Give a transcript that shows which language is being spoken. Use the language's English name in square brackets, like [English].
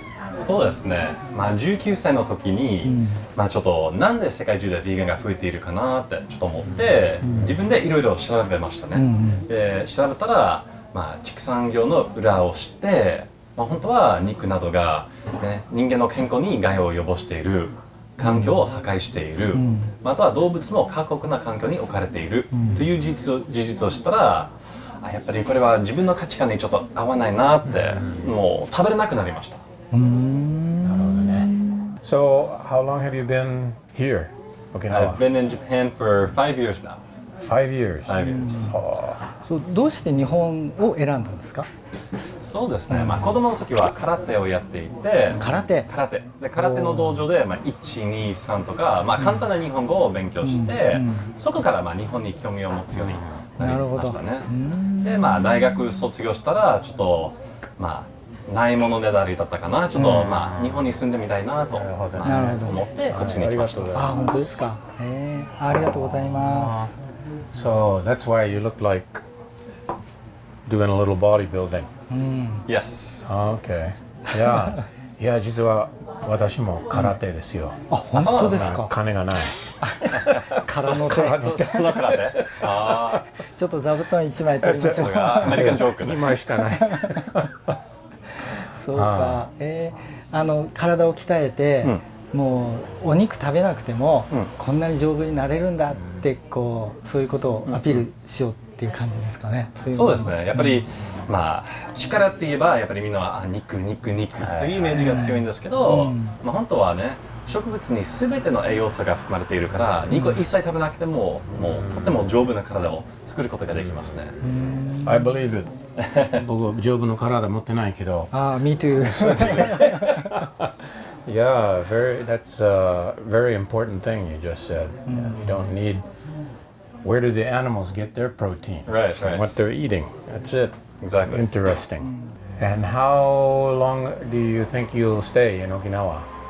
[Japanese] そうですね、まあ、19歳の時に、うん、まあ、ちょっとなんで世界中でヴィーガンが増えているかなってちょっと思って、うんうん、自分でいろいろ調べましたね、うんうん、で調べたら、まあ、畜産業の裏を知って、まあ、本当は肉などが、ね、人間の健康に害を及ぼしている、環境を破壊している、うんうん、まあ、あとは動物も過酷な環境に置かれている、うん、という事実を知ったら、やっぱりこれは自分の価値観にちょっと合わないなって、うんうん、もう食べれなくなりました。 [English] So how long have you been here, Okinawa? I've been in Japan for 5 years now. 5 years. [Japanese] So, どうして日本を選んだんですか？そうですね。まあ、子供の時は空手をやっていて。空手。空手。で、空手の道場で、まあ、1、2、3とか、まあ、簡単な日本語を勉強して、そこからまあ、日本に興味を持つようになりましたね。で、まあ、大学卒業したら、ちょっと、まあ、ないものねだりだったかな。ちょっと、まあ、日本に住んでみたいなと、まあ、思ってこっちに来ました。あ、本当ですか。ありがとうございます。 [English] So that's why you look like doing a little bodybuilding. Yes. Okay. Yeah. [Japanese] いや、実は私も空手ですよ。あ、本当ですか。金がない。空の手。空手。空手。ちょっと座布団1枚取りましょうか。アメリカンジョークね。 2枚しかない。そうか。体を鍛えて、うん、もうお肉食べなくても、うん、こんなに丈夫になれるんだってこう、そういうことをアピールしようっていう感じですかね。うんうん、そうですね。やっぱり、うん、まあ、力って言えばやっぱりみんなは肉というイメージが強いんですけど、はいはい、まあ、本当はね、植物に全ての栄養素が含まれているから、うん、肉を一切食べなくても、うん、もうとても丈夫な体を作ることができますね。 [English] うん、I believe it. [Japanese] 僕は丈夫の体持ってないけど。 [English] ああ、me too. Yeah, that's a very important thing you just said.、Mm-hmm. You don't need... Where do the animals get their protein? Right, right. What they're eating. That's it. Exactly. Interesting. And how long do you think you'll stay in Okinawa?